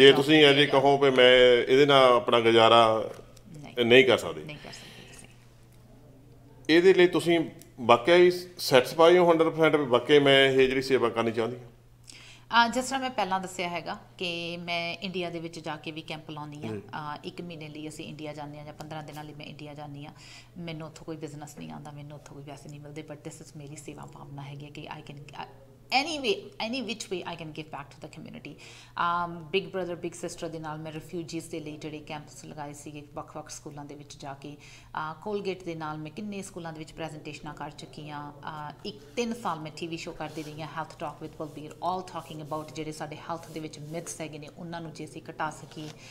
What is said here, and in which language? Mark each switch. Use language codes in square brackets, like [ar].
[pa] ਜੇ ਤੁਸੀਂ ਅਜੇ ਕਹੋ ਵੀ ਮੈਂ ਇਹਦੇ ਨਾਲ ਆਪਣਾ ਗੁਜ਼ਾਰਾ ਨਹੀਂ ਕਰ ਸਕਦੇ, ਇਹਦੇ ਲਈ ਤੁਸੀਂ ਵਾਕਿਆ ਹੀ ਸੈਟਿਸਫਾਈ ਹੋ 100% ਵਾਕਿਆ ਮੈਂ ਇਹ ਜਿਹੜੀ ਸੇਵਾ ਕਰਨੀ ਚਾਹੁੰਦੀ ਹਾਂ? ਜਿਸ ਤਰ੍ਹਾਂ ਮੈਂ ਪਹਿਲਾਂ ਦੱਸਿਆ ਹੈਗਾ ਕਿ ਮੈਂ ਇੰਡੀਆ ਦੇ ਵਿੱਚ ਜਾ ਕੇ ਵੀ ਕੈਂਪ ਲਾਉਂਦੀ ਹਾਂ, 1 ਮਹੀਨੇ ਲਈ ਅਸੀਂ ਇੰਡੀਆ ਜਾਂਦੇ ਹਾਂ ਜਾਂ 15 ਦਿਨਾਂ ਲਈ ਮੈਂ ਇੰਡੀਆ ਜਾਂਦੀ ਹਾਂ, ਮੈਨੂੰ ਉੱਥੋਂ ਕੋਈ ਬਿਜ਼ਨਸ ਨਹੀਂ ਆਉਂਦਾ, ਮੈਨੂੰ ਉੱਥੋਂ ਕੋਈ ਪੈਸੇ ਨਹੀਂ ਮਿਲਦੇ, [en] but this is [pa] ਮੇਰੀ ਸੇਵਾ ਭਾਵਨਾ ਹੈਗੀ ਹੈ ਕਿ [en] I can any which way I can give back to the community. [pa] Big brother, big sister ਦੇ ਨਾਲ ਮੈਂ ਰਿਫਿਊਜੀਸ ਦੇ ਲਈ ਜਿਹੜੇ ਕੈਂਪਸ ਲਗਾਏ ਸੀਗੇ ਵੱਖ ਵੱਖ ਸਕੂਲਾਂ ਦੇ ਵਿੱਚ ਜਾ ਕੇ, ਕੋਲਗੇਟ ਦੇ ਨਾਲ ਮੈਂ ਕਿੰਨੇ ਸਕੂਲਾਂ ਦੇ ਵਿੱਚ ਪ੍ਰੈਜੈਂਟੇਸ਼ਨਾਂ ਕਰ ਚੁੱਕੀ ਹਾਂ. ਇੱਕ 3 ਸਾਲ ਮੈਂ ਟੀ ਵੀ ਸ਼ੋਅ ਕਰਦੀ ਰਹੀ ਹਾਂ health talk with Balbir, [en] all talking about [pa] ਜਿਹੜੇ ਸਾਡੇ ਹੈਲਥ ਦੇ ਵਿੱਚ ਮਿਥਸ ਹੈਗੇ ਨੇ ਉਹਨਾਂ ਨੂੰ ਜੇ ਅਸੀਂ ਘਟਾ ਸਕੀਏ.